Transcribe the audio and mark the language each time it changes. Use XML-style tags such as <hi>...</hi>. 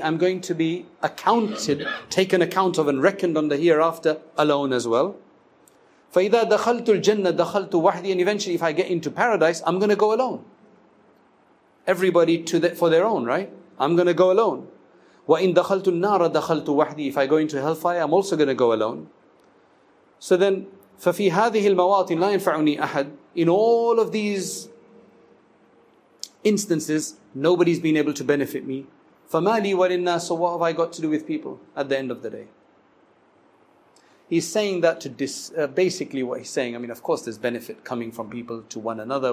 <en>I'm going to be accounted, taken account of and reckoned on the hereafter alone as well.</en> <ar>فَإِذَا دَخَلْتُ الْجَنَّةِ دَخَلْتُ وَحْدِي.</ar> <en>And eventually if I get into paradise, I'm going to go alone. Everybody for their own, right? I'm going to go alone.</en> <ar>وَإِنْ دَخَلْتُ النَّارَ دَخَلْتُ وَحْدِي.</ar> <en>If I go into hellfire, I'm also going to go alone. So then,</en> <ar>فَفِي هَذِهِ الْمَوَاطِنِ لَا يَنْفَعُنِي أَحَدٍ.</ar> <en>In all of these instances, nobody's been able to benefit me.</en> <ar>فَمَا لِي وَلِلنَّاسِ.</ar> <en>So what have I got to do with people at the end of the day? He's saying that basically what he's saying, I mean, of course there's benefit coming from people to one another.</en>